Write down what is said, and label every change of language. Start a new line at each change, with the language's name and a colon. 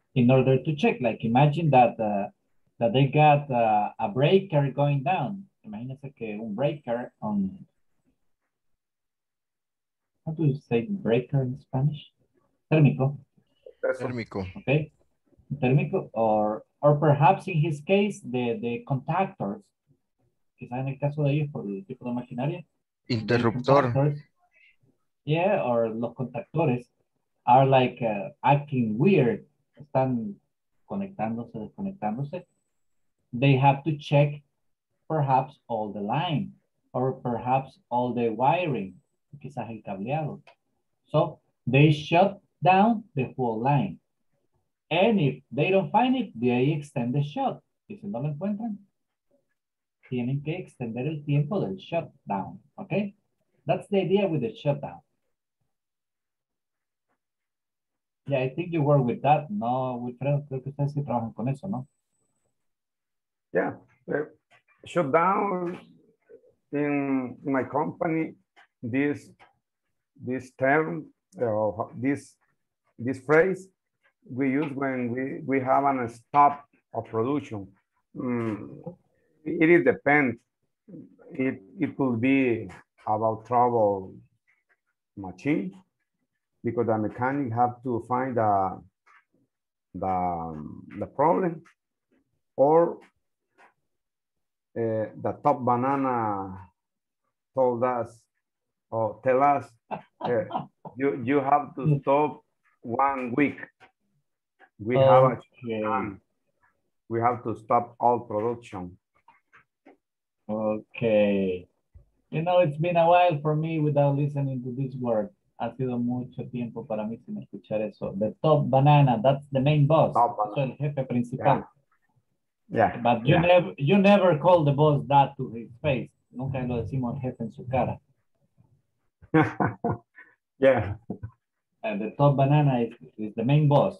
English: In order to check, like imagine that that they got a breaker going down.
Spanish: Imagínense que un
English: breaker on, how do you say breaker in Spanish? Térmico.
Spanish: Térmico.
English: Okay. Térmico, or perhaps in his case, the contactors.
Spanish: Quizás en el caso de ellos, por el tipo de maquinaria. Interruptor.
English: Yeah, or los contactores are like acting weird.
Spanish: Están conectándose, desconectándose.
English: They have to check perhaps all the line or perhaps all the wiring,
Spanish: quizás el cableado.
English: So they shut down the whole line. And if they don't find it, they extend the shut.
Spanish: Y si no lo encuentran, tienen que extender el tiempo del shutdown. Okay?
English: That's the idea with the shutdown. Yeah, I think you work with that.
Spanish: No, Wilfredo, creo que ustedes sí trabajan con eso, ¿no?
English: Yeah, shutdown in my company, this term, this phrase, we use when we have a stop of production. It depends. It could be about trouble machine, because the mechanic have to find the problem, or the top banana told us, or tell us, you have to stop 1 week. We okay. have a shutdown. We have to stop all production. Okay. You know, it's been a while for me without listening to this word.
Spanish: Ha sido mucho tiempo para mí sin escuchar eso.
English: The top banana, that's the main boss. Top banana.
Spanish: Eso es el jefe principal.
English: Yeah. Yeah, but you never call the boss that to his face.
Spanish: Nunca lo decimos jefe en su cara.
English: Yeah. And the top banana is the main boss.